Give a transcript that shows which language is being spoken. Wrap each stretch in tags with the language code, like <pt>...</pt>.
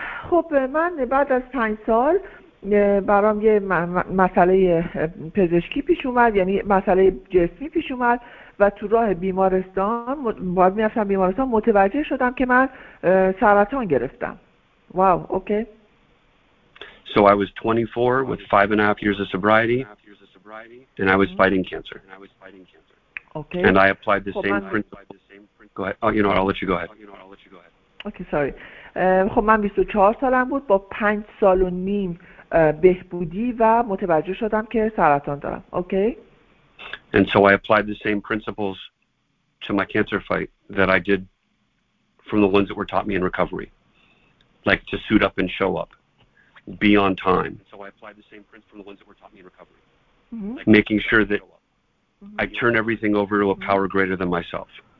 <fa>خب من بعد از 5 سال برام یه مسئله پزشکی پیش اومد، یعنی مسئله جسمی پیش اومد و تو راه بیمارستان باید میرفتم بیمارستان متوجه شدم که من سرطان گرفتم.</fa> <en>Wow, okay. So I was 24 with 5.5 years of sobriety and I was fighting cancer. Okay. And I applied the same principle. Go ahead. Oh, you know what, I'll let you go ahead. Okay, sorry.</en> <fa>خب من 24 سالم بود، با 5 سال و نیم بهبودی و متوجه شدم که سرطان دارم.</fa> <en>Okay. And so I applied the same principles to my cancer fight that I did from the ones that were taught me in recovery. Like to suit up and show up. Be on time. So I applied the same principles from the ones that were taught me in recovery. Like making sure that I turn everything over to a power greater than myself.</en>